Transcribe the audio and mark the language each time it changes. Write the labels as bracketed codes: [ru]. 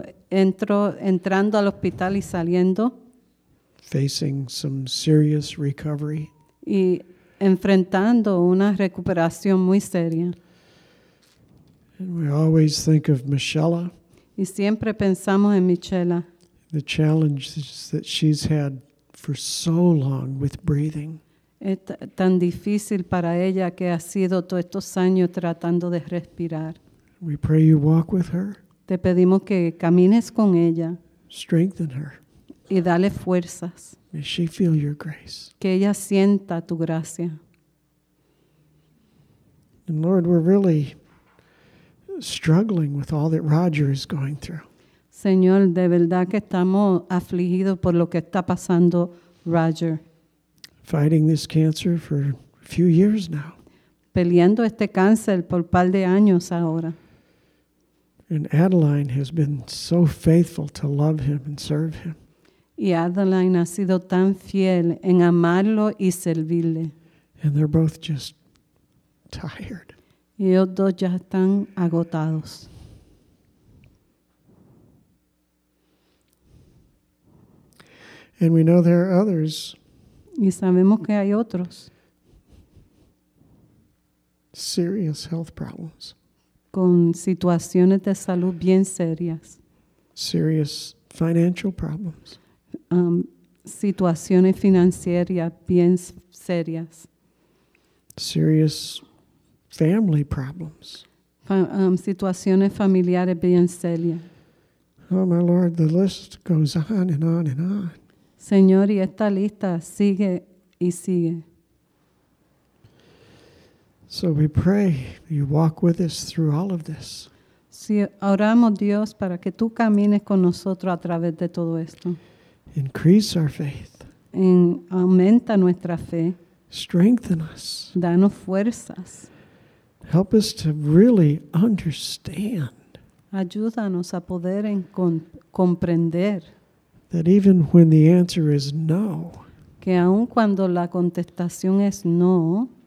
[es] Entrando al hospital y saliendo. [en] Facing some serious recovery. [es] Y enfrentando una recuperación muy seria. [en] And we always think of Michela. [es] Y siempre pensamos en Michela. [en] The challenges that she's had for so long with breathing. [es] Es tan difícil para ella que ha sido todos estos años tratando de respirar. [en] We pray you walk with her. [es] Te pedimos que camines con ella. [en] Strengthen her. [es] Y dale fuerzas. [en] May she feel your grace. [es] Que ella sienta tu gracia. [en] And Lord, we're really struggling with all that Roger is going through. [es] Señor, de verdad que estamos afligidos por lo que está pasando Roger. [en] Fighting this cancer for a few years now. [es] Peleando este cáncer por par de años ahora. [en] And Adeline has been so faithful to love him and serve him. [es] Y Adeline ha sido tan fiel en amarlo y servirle. [en] And they're both just tired. [es] Y ellos dos ya están agotados. [en] And we know there are others. [es] Y sabemos que hay otros. [en] Serious health problems. [es] Con situaciones de salud bien serias. [en] Serious financial problems. [es] Situaciones financieras bien serias. [en] Serious family problems. [es] Situaciones familiares bien serias. [en] Oh, my Lord, the list goes on and on and on. [es] Señor, y esta lista sigue y sigue. [en] So we pray you walk with us through all of this. [es] Si oramos Dios para que tú camines con nosotros a través de todo esto. [en] Increase our faith. [es] Aumenta nuestra fe. [en] Strengthen us. [es] Danos fuerzas. [en] Help us to really understand. [es] Ayúdanos a poder comprender. [en] That even when the answer is no. [es] Que aun cuando la contestación es no.